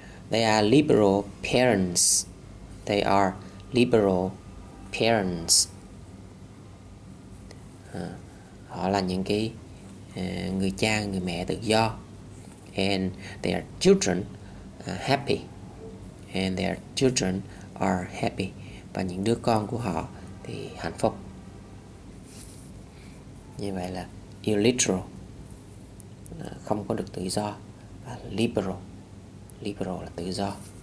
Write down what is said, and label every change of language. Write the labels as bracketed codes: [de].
[en] They are liberal parents. They are liberal parents. [vi] Họ là những cái người cha, người mẹ tự do. [en] And their children are happy. And their children are happy. [vi] Và những đứa con của họ thì hạnh phúc. Như vậy là illiterate, không có được tự do. Và liberal, liberal là tự do.